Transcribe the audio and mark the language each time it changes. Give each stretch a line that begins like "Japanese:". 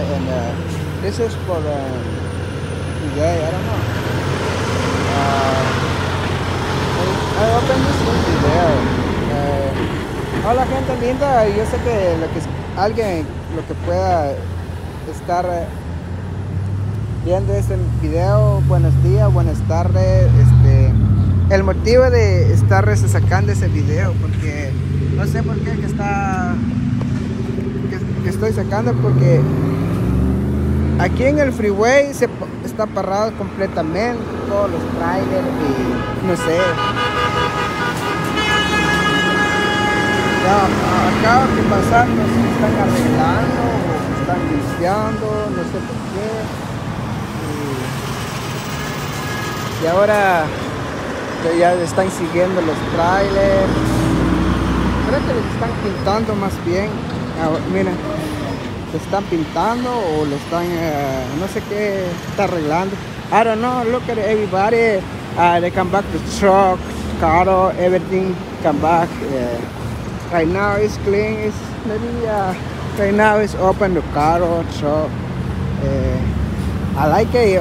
English: And this is for today. I don't know. I opened this one video.
Spanish: Hola gente linda, yo sé que alguien que pueda estar viendo este video, buenos días, buenas tardes. El motivo de estar sacando ese video, porque no sé por qué que estoy sacando, porque aquí en el freeway se está parado completamente todos los trailers y no sé. Acaba de pasar, no sé si están arreglando o están limpiando, no sé por qué. Y ahora ya están siguiendo los trailers. Creo que les están pintando más bien. Ahora, miren, se están pintando o lo están, no sé qué, está arreglando.
English: I don't know, look at everybody. They come back to truck, car, everything come back. Right now it's clean, it's maybe right now it's open the car, so I like it.